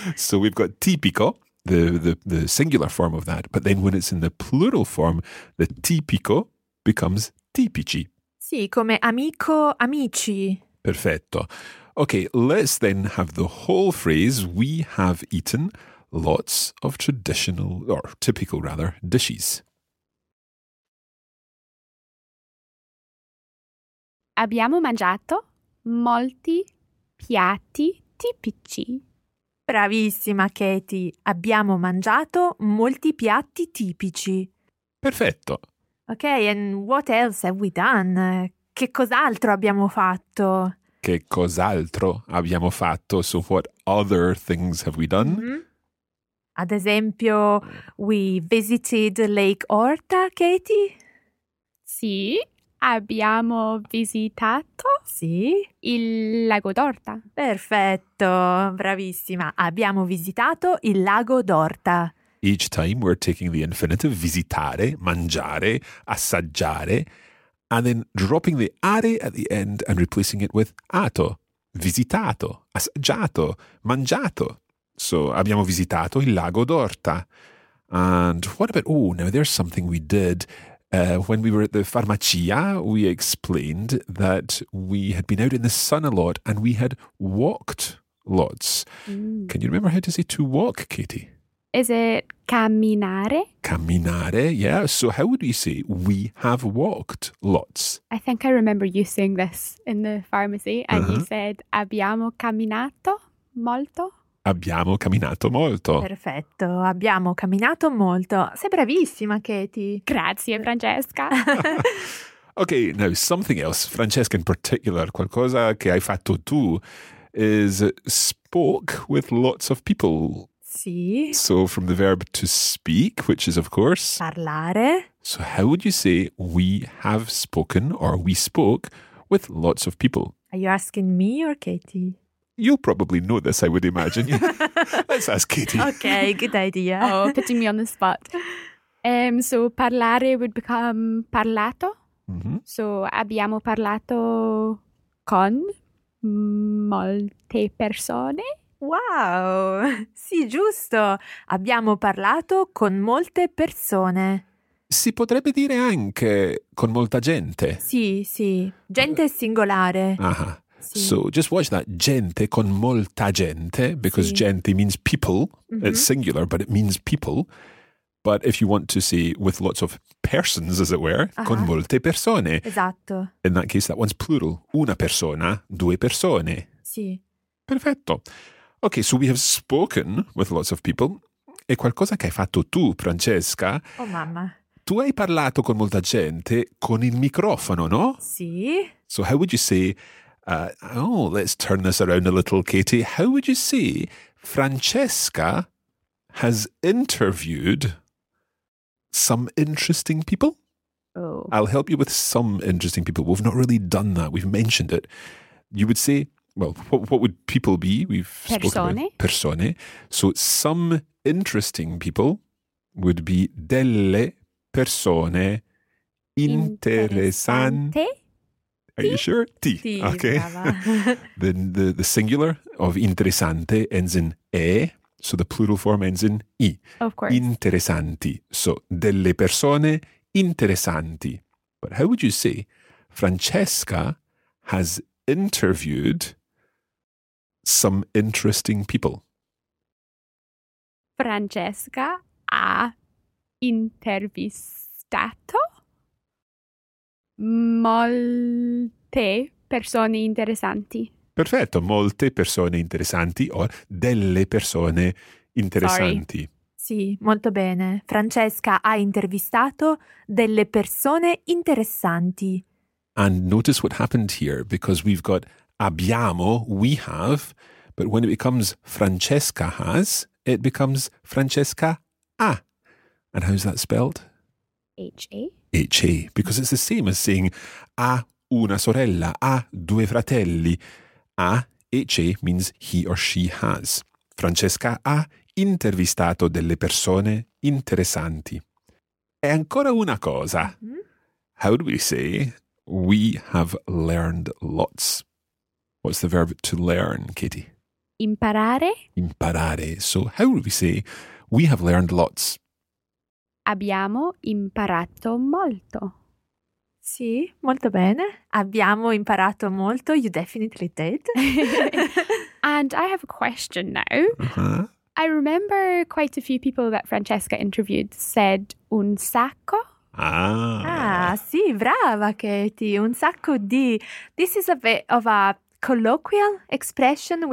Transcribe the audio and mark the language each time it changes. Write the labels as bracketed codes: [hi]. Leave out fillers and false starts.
[en] So we've got tipico, the singular form of that, but then when it's in the plural form, the tipico becomes tipici. [it] Sì, come amico, amici. Perfetto. [en] Okay, let's then have the whole phrase, we have eaten lots of traditional, or typical rather, dishes. [it] Abbiamo mangiato molti piatti tipici. Bravissima, Katie. Abbiamo mangiato molti piatti tipici. Perfetto. [en] Okay, and what else have we done? [it] Che cos'altro abbiamo fatto? Che cos'altro abbiamo fatto? [en] So what other things have we done? Mm-hmm. [it] Ad esempio, [en] we visited Lake Orta, Katie? [it] Sì. Abbiamo visitato? Sì. Il lago d'Orta. Perfetto, bravissima. Abbiamo visitato il lago d'Orta. [en] Each time we're taking the infinitive, visitare, mangiare, assaggiare, and then dropping the are at the end and replacing it with ato. [it] Visitato, assaggiato, mangiato. So abbiamo visitato il lago d'Orta. [en] And what about, oh, now there's something we did. When we were at the farmacia, we explained that we had been out in the sun a lot and we had walked lots. Mm. Can you remember how to say to walk, Katie? Is it camminare? Camminare, yeah. So how would we say we have walked lots? I think I remember you saying this in the pharmacy and uh-huh. you said [it] abbiamo camminato molto. Abbiamo camminato molto. Perfetto, abbiamo camminato molto. Sei bravissima, Katie. Grazie, Francesca. [en] Okay, now something else. Francesca in particular, [it] qualcosa che hai fatto tu [en] is spoke with lots of people. [it] Sì. [en] So from the verb to speak, which is of course... [it] Parlare. [en] So how would you say we have spoken or we spoke with lots of people? Are you asking me or Katie? You'll probably know this, I would imagine. Let's ask Katie. Okay, good idea. Oh, putting me on the spot. So parlare would become parlato. Mm-hmm. [it] So abbiamo parlato con molte persone. Wow, sì, giusto. Abbiamo parlato con molte persone. Si potrebbe dire anche con molta gente. Sì, sì. Gente singolare. [en] Ah. Sì. So just watch that, [it] gente con molta gente, [en] because sì. gente means people, mm-hmm. it's singular, but it means people. But if you want to say with lots of persons, as it were, uh-huh. [it] con molte persone. Esatto. [en] In that case, that one's plural. [it] Una persona, due persone. Sì. Perfetto. [en] Okay, so we have spoken with lots of people. [it] E qualcosa che hai fatto tu, Francesca? Oh, mamma. Tu hai parlato con molta gente con il microfono, no? Sì. [en] So how would you say... let's turn this around a little, Katie. How would you say Francesca has interviewed some interesting people? Oh. I'll help you with some interesting people. We've not really done that. We've mentioned it. You would say, well, what would people be? We've [it] persone. [en] Spoken about persone. So some interesting people would be [it] delle persone interessanti. [en] Are you sure? Ti. [it] Ti, okay. [en] the singular of interessante ends in e, so the plural form ends in I. Of course. [it] Interessanti. So, delle persone interessanti. [en] But how would you say Francesca has interviewed some interesting people? [it] Francesca ha intervistato molto. Te, persone interessanti. Perfetto, molte persone interessanti o delle persone interessanti. Sorry. Sì, molto bene. Francesca ha intervistato delle persone interessanti. [en] And notice what happened here, because we've got abbiamo, we have, but when it becomes Francesca has, it becomes Francesca ha. And how's that spelled? H-A. H-A, because it's the same as saying [it] a una sorella, a due fratelli. [en] A, H-A, means he or she has. [it] Francesca ha intervistato delle persone interessanti. E ancora una cosa. Mm-hmm. [en] How do we say we have learned lots? What's the verb to learn, Katie? [it] Imparare. Imparare. [en] So how do we say we have learned lots? [it] Abbiamo imparato molto. Sì, molto bene. Abbiamo imparato molto. [en] You definitely did. And I have a question now. Uh-huh. I remember quite a few people that Francesca interviewed said [it] un sacco. Ah. Ah, sì, brava, Katie. Un sacco di. [en] This is a bit of a colloquial expression.